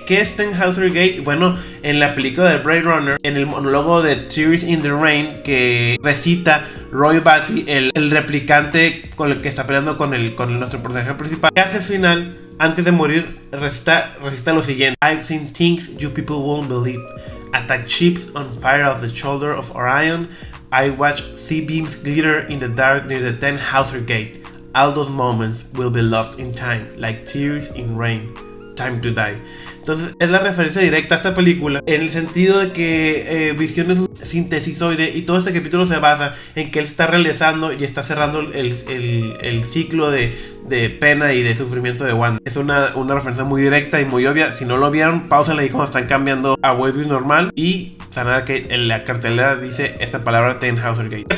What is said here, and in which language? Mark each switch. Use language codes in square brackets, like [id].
[es] ¿Qué es Ten Hauser Gate? Bueno, en la película de Blade Runner, en el monólogo de Tears in the Rain, que recita Roy Batty, el replicante con el que está peleando con nuestro personaje principal, que hace al final, antes de morir, recita lo siguiente: [en] I've seen things you people won't believe. Attack ships on fire off the shoulder of Orion. I watched sea beams glitter in the dark near the Ten Hauser Gate. All those moments will be lost in time, like tears in rain. Time to die. [es] Entonces es la referencia directa a esta película, en el sentido de que Visión es un sintesisoide, y todo este capítulo se basa en que él está realizando y está cerrando el ciclo de pena y de sufrimiento de Wanda. Es una referencia muy directa y muy obvia. Si no lo vieron, pausenla ahí cuando están cambiando a Westview normal y sanar, que en la cartelera dice esta palabra: Ten Hauser Gate.